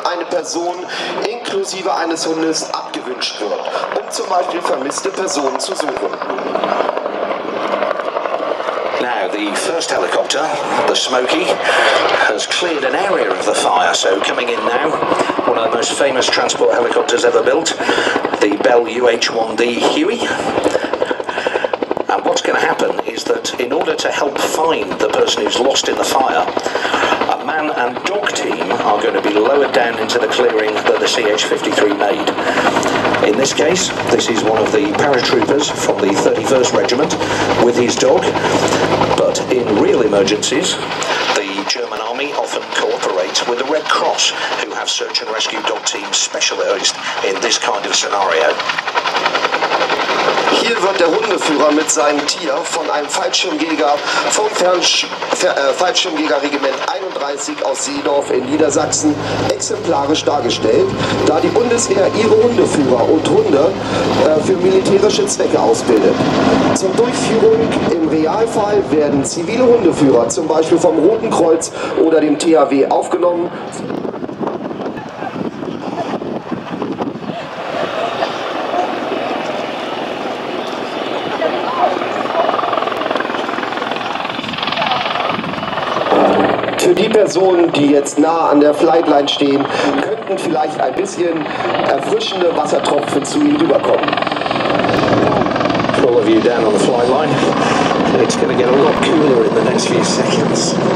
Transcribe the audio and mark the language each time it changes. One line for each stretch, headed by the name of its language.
German: Person inklusive eines Hundes abgewünscht wird, um zum Beispiel vermisste Personen zu suchen.
English: Now the first helicopter, the Smoky, has cleared an area of the fire, so coming in now, one of the most famous transport helicopters ever built, the Bell UH-1D Huey. And what's going to happen is that in order to help find the person who's lost in the fire, a man and dog team are going to be lowered down into the clearing that the CH-53 made. In this case, this is one of the paratroopers from the 31st Regiment with his dog. But in real emergencies, the German Army often cooperates with the Red Cross, who have search and rescue dog teams specialised in this kind of scenario.
German: Hier wird der Hundeführer mit seinem Tier von einem Fallschirmjäger vom Fallschirmjägerregiment 31 aus Seedorf in Niedersachsen exemplarisch dargestellt, da die Bundeswehr ihre Hundeführer und Hunde für militärische Zwecke ausbildet. Zur Durchführung im Realfall werden zivile Hundeführer, zum Beispiel vom Roten Kreuz oder dem THW, aufgenommen. Personen, die jetzt nah an der Flightline stehen, könnten vielleicht ein bisschen erfrischende Wassertropfen zu ihnen rüberkommen.
English: For all of you down on the flightline, it's going to get a lot cooler in the next few seconds.